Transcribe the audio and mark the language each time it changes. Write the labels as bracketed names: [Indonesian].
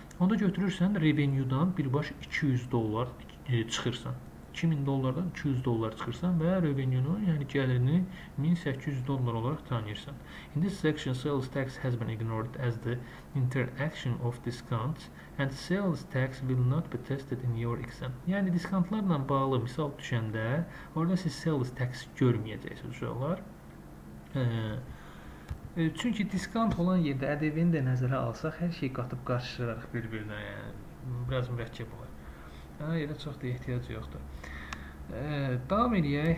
[Azerbaijani] Onda götürürsən, revenue-dan birbaş 200 dollar çıxırsan. 2000 dollardan 200 dollar çıxırsan və revenue-nun, yəni gəlirini 1800 dollar olaraq tanıyırsan. [English] In this section, sales tax has been ignored as the interaction of discounts and sales tax will not be tested in your exam. [Azerbaijani] Yəni, discountlarla bağlı misal düşəndə, orada siz sales tax görməyəcəksiniz uşaqlar. Çünki discount olan yerdə ƏDV-ni də nəzərə alsaq, hər şey qatıb qarışdıraraq bir-birinə, yəni, biraz mürəkkəb olar. Yerə çox da ehtiyac yoxdur. Davam edək.